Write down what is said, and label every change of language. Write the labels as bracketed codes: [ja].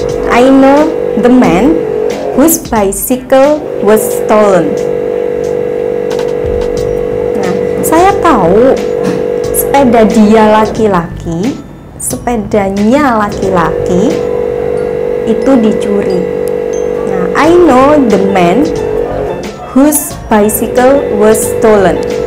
[en] I know the man whose bicycle was stolen. [id] Nah, saya tahu sepeda dia laki-laki, sepedanya laki-laki itu dicuri. [en] Nah, I know the man whose bicycle was stolen.